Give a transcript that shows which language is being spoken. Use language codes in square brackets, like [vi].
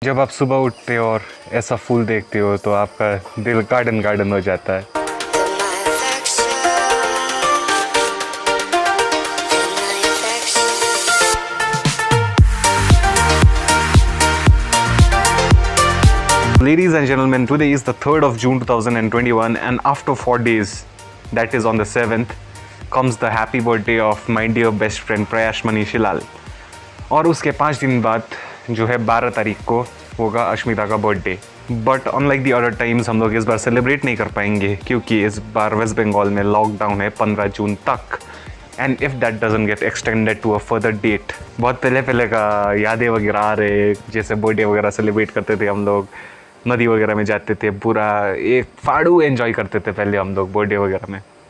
[hi] जब आप सुबह उठते हो और ऐसा फूल देखते हो तो आपका दिल गार्डन गार्डन हो जाता है। [en] Ladies and gentlemen, today is the 3rd of June 2021 and after 4 days, that is on the 7th, comes the happy birthday of my dear best friend Prayash Manishilal. [hi] और उसके 5 दिन बाद जो है 12 तारीख को होगा अश्मिता का birthday. [en] but unlike the other times [hi] हम लोग इस बार सेलिब्रेट नहीं कर पाएंगे क्योंकि इस बार वेस्ट बंगाल में लॉकडाउन है 15 जून तक [en] And if that doesn't get extended to a further date. [hi] बहुत पहले पहले का यादें वगैरह आ रहे, जैसे बर्थडे वगैरह सेलिब्रेट करते थे हम लोग, नदी वगैरह में जाते थे, पूरा एक फाड़ू एंजॉय करते थे पहले हम लोग बर्थडे वगैरह में।